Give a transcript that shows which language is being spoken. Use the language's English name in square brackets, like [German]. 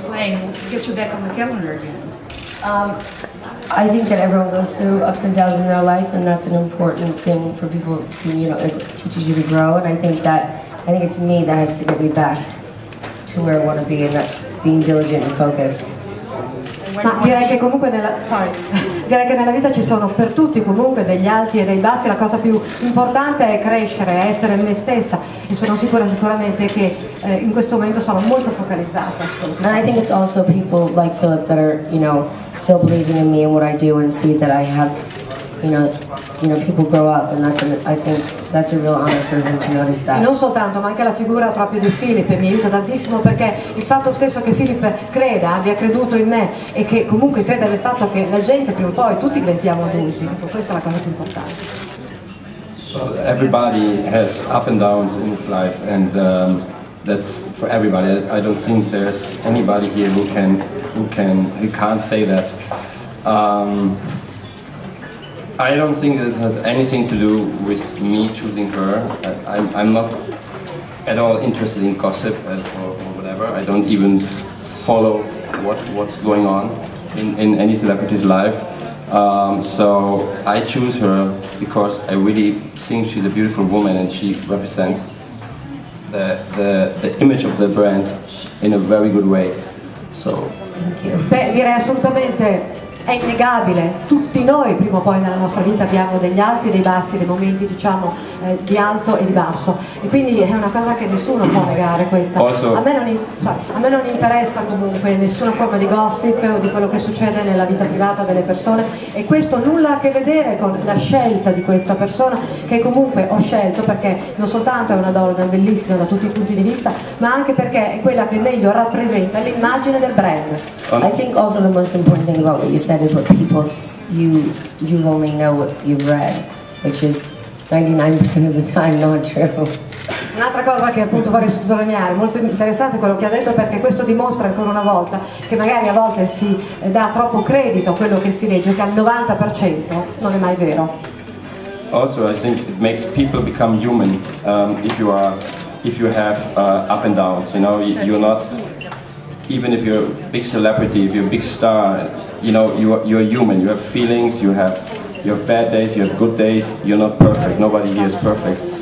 [English] Plein will get you back on the calendar again? I think that everyone goes through ups and downs in their life, and that's an important thing for people to, you know, it teaches you to grow, and I think it's me that has to get me back to where I want to be, and that's being diligent and focused. [Italian] Ma direi che comunque direi che nella vita ci sono per tutti comunque degli alti e dei bassi, la cosa più importante è crescere, essere me stessa, e sono sicura sicuramente che in questo momento sono molto focalizzata. [English] And I think it's also people like Philipp that are, you know, still believing in me and what I do and see that I have, you know, you know, people grow up, and I think that's a real honor for him to notice that. [Italian] E non soltanto, ma anche la figura proprio di Philipp mi aiuta tantissimo, perché il fatto stesso che Philipp creda, abbia creduto in me, e che comunque creda nel fatto che la gente prima o poi tutti diventiamo adulti, ecco, questa è la cosa più importante. [English] Well, everybody has up and downs in his life, and that's for everybody. I don't think there's anybody here who can't say that. I don't think this has anything to do with me choosing her. I'm not at all interested in gossip or whatever. I don't even follow what's going on in any celebrity's life. So I choose her because I really think she's a beautiful woman, and she represents the image of the brand in a very good way. So thank you. [Italian] Beh, direi assolutamente. È innegabile, tutti noi prima o poi nella nostra vita abbiamo degli alti e dei bassi, dei momenti diciamo di alto e di basso, e quindi è una cosa che nessuno può negare questa. [English] Also, [Italian] a me non interessa comunque nessuna forma di gossip o di quello che succede nella vita privata delle persone, e questo nulla a che vedere con la scelta di questa persona, che comunque ho scelto perché non soltanto è una donna bellissima da tutti i punti di vista, ma anche perché è quella che meglio rappresenta l'immagine del brand. [English] I think also the most important thing about what you said is what people, you only know what you've read, which is 99% of the time not true. [Italian] Un'altra cosa che appunto vorrei sottolineare, molto interessante quello che ha detto, perché questo dimostra ancora una volta che magari a volte si dà troppo credito a quello che si legge, che al 90% non è mai vero. [English] Also, I think it makes people become human if you have up and downs, you know, you're not. Even if you're a big celebrity, if you're a big star, you know, you're human, you have feelings, you have bad days, you have good days, you're not perfect, nobody here is perfect.